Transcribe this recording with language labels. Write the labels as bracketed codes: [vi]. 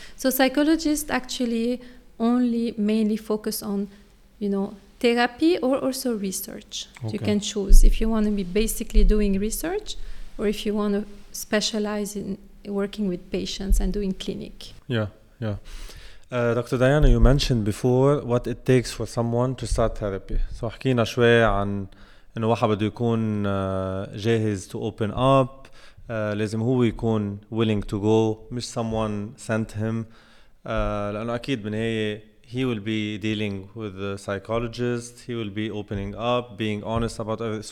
[en] So psychologists actually only mainly focus on, you know, therapy or also research. Okay. You can choose if you want to be basically doing research or if you want to specialize in working with patients and doing clinic. Dr. Diana, you mentioned before what it takes for someone to start therapy. [ar] So حكينا شوي عن إنه واحد بده يكون جاهز [en] to open up. [ar] لازم هو يكون [en] willing to go, مش someone sent him. [ar] لأنه أكيد من هي [en] he will be dealing with the psychologist, he will be opening up, being honest about everything.